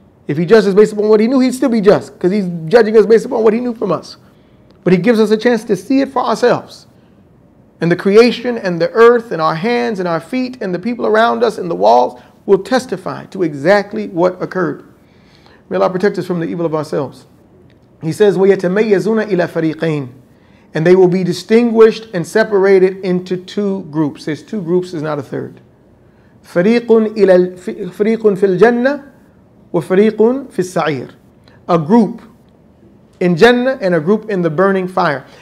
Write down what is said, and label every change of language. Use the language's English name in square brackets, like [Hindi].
[English] If he judges based upon what he knew, he'd still be just, because he's judging us based upon what he knew from us. But he gives us a chance to see it for ourselves. And the creation and the earth and our hands and our feet and the people around us and the walls will testify to exactly what occurred. May Allah protect us from the evil of ourselves. He says, [Arabic] وَيَتَمَيَّزُونَ إِلَى فَرِيقَيْنِ. [English] And they will be distinguished and separated into two groups. There's two groups, is not a third. [Arabic] فَرِيقٌ فِي الْجَنَّةِ وَفَرِيقٌ فِي السَّعِيرِ. [English] A group in Jannah and a group in the burning fire.